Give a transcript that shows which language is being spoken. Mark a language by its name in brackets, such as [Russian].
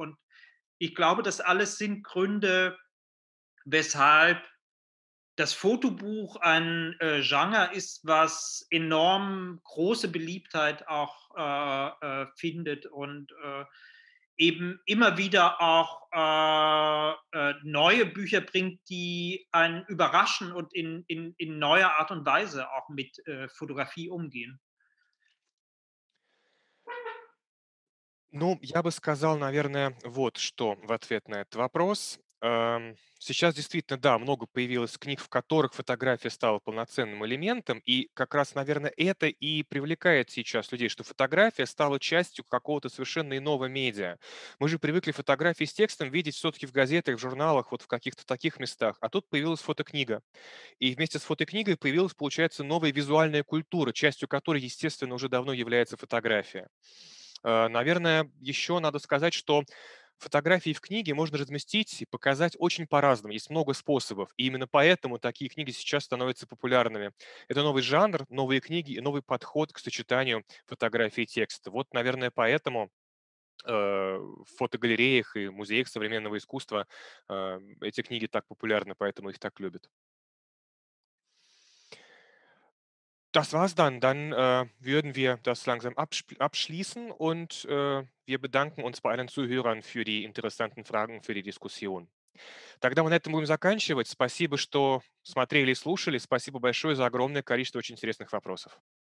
[German] Und ich glaube, das alles sind Gründe, weshalb das Fotobuch ein Genre ist, was enorm große Beliebtheit auch findet und eben immer wieder auch neue Bücher bringt, die einen überraschen und in neuer Art und Weise auch mit Fotografie umgehen. [Russian] Ну, я бы сказал, наверное, вот что в ответ на этот вопрос. Сейчас действительно, да, много появилось книг, в которых фотография стала полноценным элементом, и как раз, наверное, это и привлекает сейчас людей, что фотография стала частью какого-то совершенно иного медиа. Мы же привыкли фотографии с текстом видеть все-таки в газетах, в журналах, вот в каких-то таких местах, а тут появилась фотокнига. И вместе с фотокнигой появилась, получается, новая визуальная культура, частью которой, естественно, уже давно является фотография. Наверное, еще надо сказать, что фотографии в книге можно разместить и показать очень по-разному. Есть много способов. И именно поэтому такие книги сейчас становятся популярными. Это новый жанр, новые книги и новый подход к сочетанию фотографии и текста. Вот, наверное, поэтому в фотогалереях и музеях современного искусства эти книги так популярны, поэтому их так любят. [German] Das war's dann. Dann würden wir das langsam abschließen und wir bedanken uns bei allen Zuhörern für die interessanten Fragen, für die Diskussion. [Russian] Тогда мы на этом будем заканчивать. Спасибо, что смотрели и слушали. Спасибо большое за огромное количество очень интересных вопросов.